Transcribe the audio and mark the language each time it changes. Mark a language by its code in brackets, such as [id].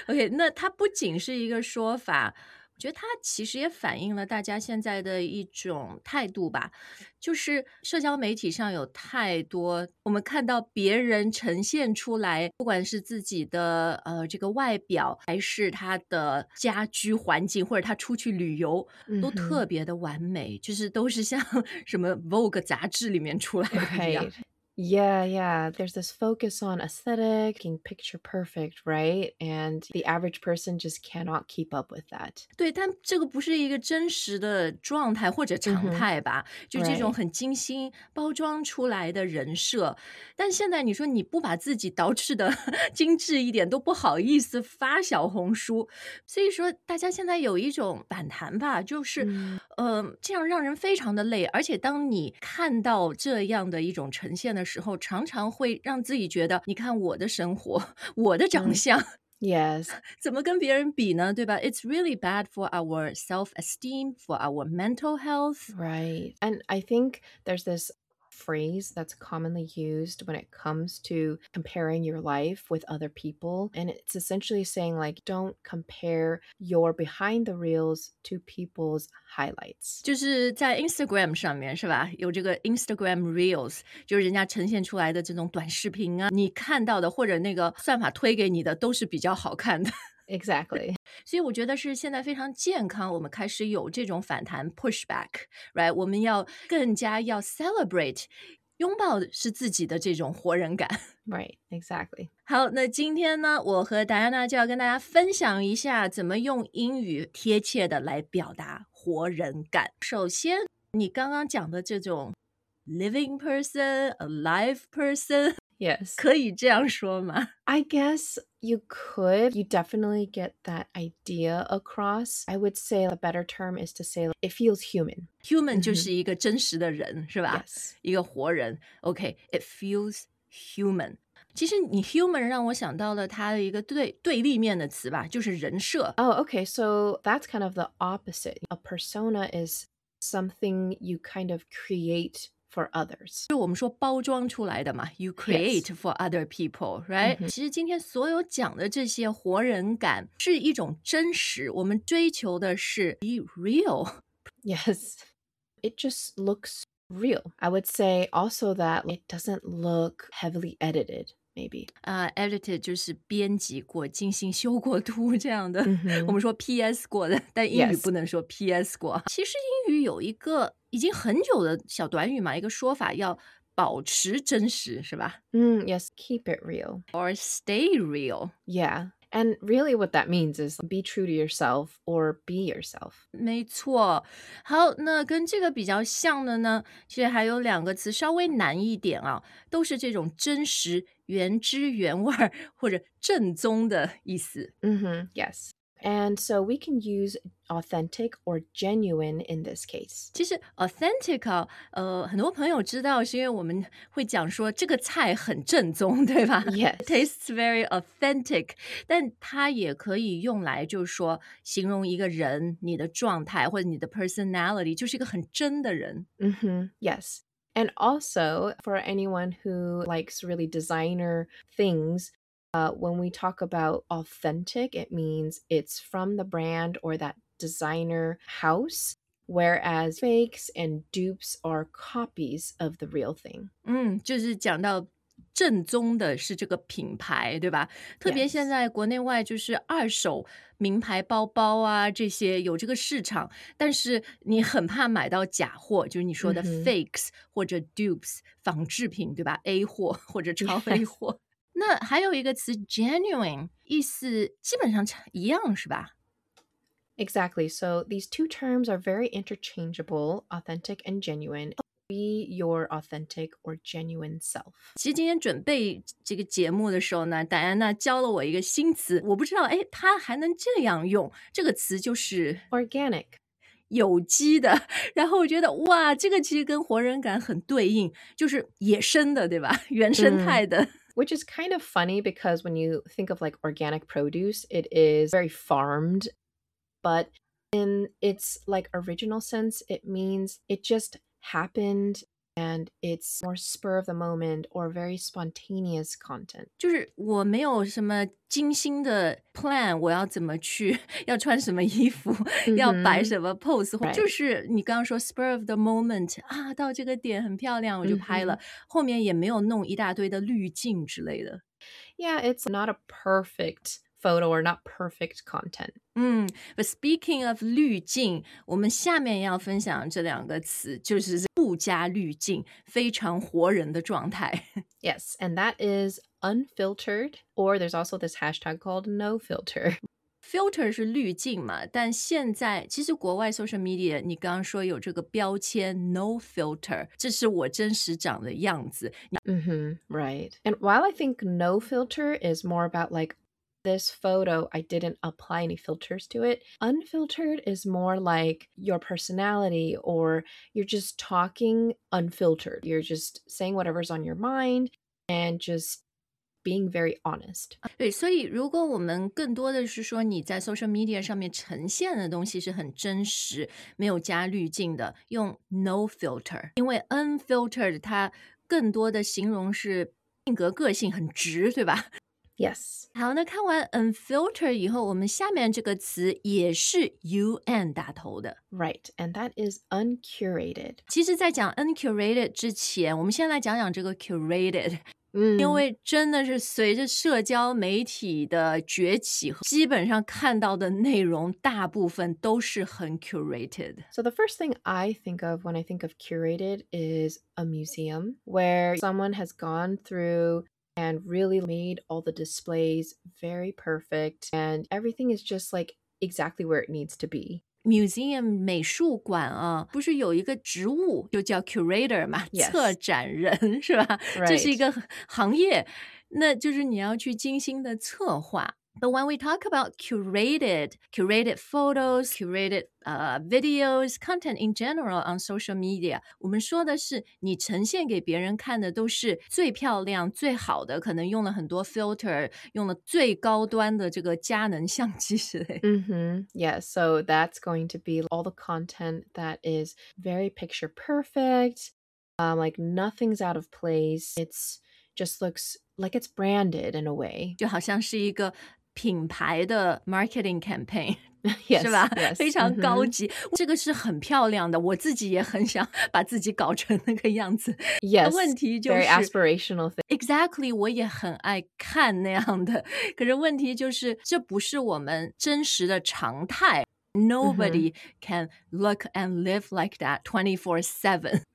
[zh] Okay, 那它不仅是一个说法，我觉得它其实也反映了大家现在的一种态度吧，就是社交媒体上有太多我们看到别人呈现出来，不管是自己的这个外表，还是他的家居环境，或者他出去旅游，都特别的完美，就是都是像什么 Vogue 杂志里面出来的一样。 [en] Yeah, yeah. There's this focus on aesthetic, being picture perfect, right? And the average person just cannot keep up with that. [zh] 对，但这个不是一个真实的状态或者常态吧？就这种很精心包装出来的人设。但现在你说你不把自己捯饬的精致一点，都不好意思发小红书。所以说，大家现在有一种反弹吧，就是这样让人非常的累。而且当你看到这样的一种呈现的时候，常常会让自己觉得，你看我的生活，我的长相 [en] ，Yes， [zh] 怎么跟别人比呢？对吧 [en] ？It's really bad for our self-esteem, for our mental health. Right, and I think there's this phrase that's commonly used when it comes to comparing your life with other people, and it's essentially saying like, don't compare your behind the reels to people's highlights. [zh] 就是在 Instagram 上面是吧？有这个 Instagram Reels， 就是人家呈现出来的这种短视频啊，你看到的或者那个算法推给你的都是比较好看的。 [en] Exactly. [zh] 所以我觉得是现在非常健康，我们开始有这种反弹 [en] pushback, right? [zh] 我们要更加要 celebrate, 拥抱是自己的这种活人感。 [en] Right, exactly. [zh] 好，那今天呢，我和 Diana 就要跟大家分享一下怎么用英语贴切的来表达活人感。首先，你刚刚讲的这种 [en] living person, alive person, Yes. [zh] 可以这样说吗? [en] I guess you could. You definitely get that idea across. I would say a better term is to say it feels human. [zh] Human 就是一个真实的人是吧? [en] Yes. [zh] 一个活人。 [en] Okay, it feels human. [zh] 其实你 human 让我想到了它的一个对立面的词吧，就是人设。 [en] Oh, okay, so that's kind of the opposite. A persona is something you kind of create. For others. [zh] 就我们说包装出来的嘛 [en] You create、 yes. for other people, right?、 [zh] Mm-hmm. 其实今天所有讲的这些活人感是一种真实，我们追求的是 [en] be real. Yes, it just looks real. I would say also that it doesn't look heavily edited, maybe. [zh] Edited 就是编辑过、精心修过图这样的。 Mm-hmm. 我们说 PS 过的，但英语不能说 PS 过。 [en] Yes. [zh] 其实英语有一个已经很久的小短语嘛，一个说法要保持真实，是吧？ [en] Yes, keep it real. Or stay real. Yeah, and really what that means is be true to yourself or be yourself. [zh] 没错。好，那跟这个比较像的呢，其实还有两个词稍微难一点啊，都是这种真实、原汁原味或者正宗的意思。 [en] Yes. And so we can use authentic or genuine in this case. [zh] 其实 authentic 啊，很多朋友知道是因为我们会讲说这个菜很正宗，对吧？ [en] Yes. It tastes very authentic. [zh] 但它也可以用来就是说形容一个人，你的状态或者你的 personality 就是一个很真的人。 [en] Yes. And also for anyone who likes really designer things,when we talk about authentic, it means it's from the brand or that designer house, whereas fakes and dupes are copies of the real thing. [zh] 就是讲到正宗的是这个品牌，对吧？特别现在国内外就是二手名牌包包啊，这些有这个市场，但是你很怕买到假货，就是你说的 fakes 或者 dupes 仿制品，对吧 ？A 货或者超 A 货。 [en] Yes. [zh] 那还有一个词 genuine, 意思基本上一样是吧 [en] Exactly. So these two terms are very interchangeable, authentic and genuine. Be your authentic or genuine self. [zh] 其实今天准备这个节目的时候呢 ,Diana 教了我一个新词我不知道它还能这样用这个词就是 [en] organic. [zh] 有机的，然后我觉得哇，这个其实跟活人感很对应，就是野生的，对吧？原生态的。 [en] Which is kind of funny because when you think of like organic produce, it is very farmed, but in its like original sense, it means it just happened and it's more spur of the moment or very spontaneous content. [zh] 就是我没有什么精心的 plan, 我要怎么去，要穿什么衣服，要摆什么 pose,、mm-hmm. 就是你刚刚说 [en] spur of the moment, [zh] 啊，到这个点很漂亮，我就拍了、mm-hmm. 后面也没有弄一大堆的滤镜之类的。 [en] Yeah, it's not a perfect photo or not perfect content. But speaking of [zh] 滤镜，我们下面要分享这两个词，就是不加滤镜，非常活人的状态。 [en] Yes, and that is unfiltered, or there's also this hashtag called no filter. [zh] Filter 是滤镜嘛，但现在其实国外 social media, 你刚刚说有这个标签 no filter, 这是我真实长的样子。 [en] Mm-hmm, right. And while I think no filter is more about like,This photo, I didn't apply any filters to it. Unfiltered is more like your personality or you're just talking unfiltered. You're just saying whatever's on your mind and just being very honest. [zh] 对，所以如果我们更多的是说你在 social media 上面呈现的东西是很真实，没有加滤镜的，用 no filter. 因为 unfiltered 它更多的形容是性格个性很直，对吧？ [en] Yes. [zh] 好，那看完 unfilter 以后，我们下面这个词也是 UN 打头的。 [en] Right, and that is uncurated. [zh] 其实在讲 uncurated 之前，我们先来讲讲这个 curated。 Mm. 因为真的是随着社交媒体的崛起，基本上看到的内容大部分都是很 curated. [en] So the first thing I think of when I think of curated is a museum where someone has gone throughand really made all the displays very perfect, and everything is just like exactly where it needs to be. [zh] Museum, 美术馆啊，不是有一个职务就叫 curator 嘛、 [en] yes. [zh] 策展人是吧、 [en] right. [zh] 这是一个行业，那就是你要去精心的策划。 [en] But when we talk about curated photos, curated videos, content in general on social media, [zh] 我们说的是你呈现给别人看的都是最漂亮、最好的，可能用了很多 filter, 用了最高端的这个佳能相机之类。 Mm-hmm. [en] Yeah, so that's going to be all the content that is very picture perfect, like nothing's out of place. It's just looks like it's branded in a way. [zh] 就好像是一个品牌的 [en] marketing campaign, yes, [zh] 是吧 [en] yes, [zh] 非常高级、mm-hmm. 这个是很漂亮的，我自己也很想把自己搞成那个样子。 [en] Yes, [zh] 问题就是 [en] very aspirational thing. Exactly, [zh] 我也很爱看那样的，可是问题就是这不是我们真实的常态。 [en] Nobody、mm-hmm. can look and live like that 24/7.